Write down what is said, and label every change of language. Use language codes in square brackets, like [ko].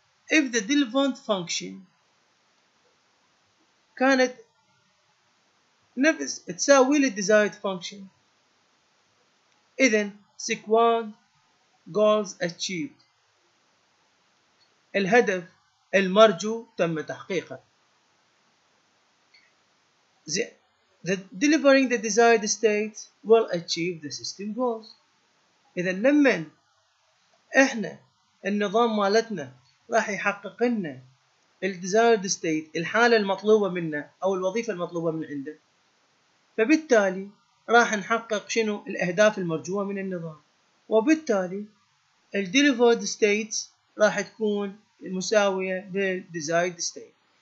[en] if the delivered function [ar] كانت نفس تساوي للديزايد فانكشن إذن sec1 [en] goals achieved [ar] الهدف المرجو تم تحقيقه. [en] The delivering the desired state will achieve the system goals. [ar] إذا لما إحنا النظام مالتنا راح يحقق لنا ال desired state الحالة المطلوبة منا أو الوظيفة المطلوبة من عنده، فبالتالي راح نحقق شنو الأهداف المرجوة من النظام، وبالتالي ال delivered states راح تكون المساوية لل desired state.